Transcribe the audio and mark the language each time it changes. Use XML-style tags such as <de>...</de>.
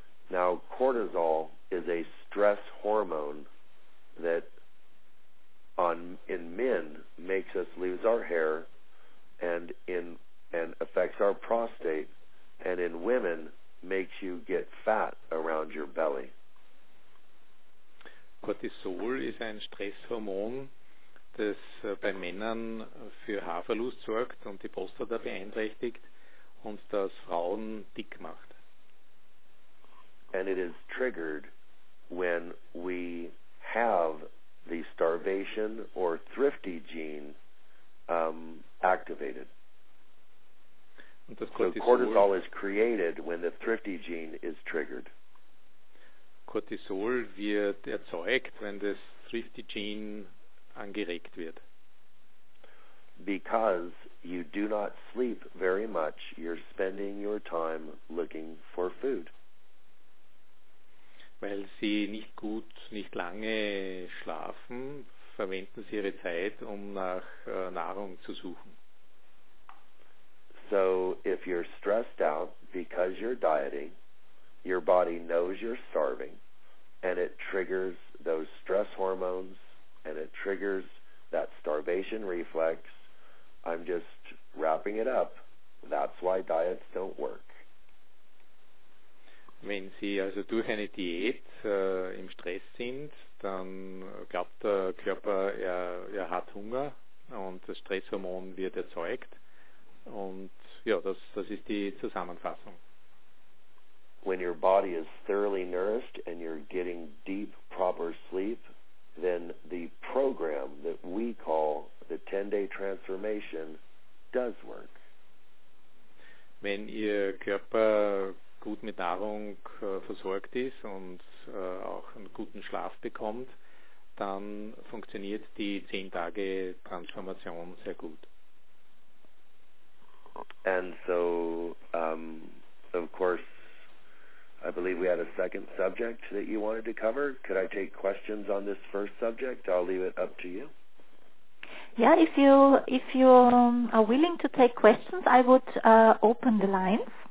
<en>Now, cortisol is a stress hormone that in men makes us lose our hair and affects our prostate, and in women makes you get fat around your belly.</en> <de>Cortisol ist ein Stresshormon, das bei Männern für Haarverlust sorgt und die Prostata beeinträchtigt und das Frauen dick macht.</de> <en>And it is triggered when we have the starvation. innovation or thrifty gene activated. Cortisol is created when the thrifty gene is triggered.</en> <de>Cortisol wird erzeugt, wenn das thrifty gene angeregt wird.</de> <en>Because you do not sleep very much, you're spending your time looking for food.</en> <de>Weil sie nicht gut, nicht lange schlafen, verwenden sie ihre Zeit, um nach Nahrung zu suchen.</de> <en>So if you're stressed out because you're dieting, your body knows you're starving, and it triggers those stress hormones, and it triggers that starvation reflex. I'm just wrapping it up. That's why diets don't work.</en> <de>Wenn Sie also durch eine Diät im Stress sind, dann glaubt der Körper, er hat Hunger und das Stresshormon wird erzeugt. Und ja, das ist die Zusammenfassung.</de> <en>When your body is thoroughly nourished and you're getting deep, proper sleep, then the program that we call the 10-day transformation does work.</en> <de>Wenn Ihr Körper gut mit Nahrung versorgt ist und auch einen guten Schlaf bekommt, dann funktioniert die 10-Tage-Transformation sehr gut.</de> <en>And so, of course, I believe we had a second subject that you wanted to cover. Could I take questions on this first subject? I'll leave it up to you. Yeah, if you are willing to take questions, I would open the lines.</en>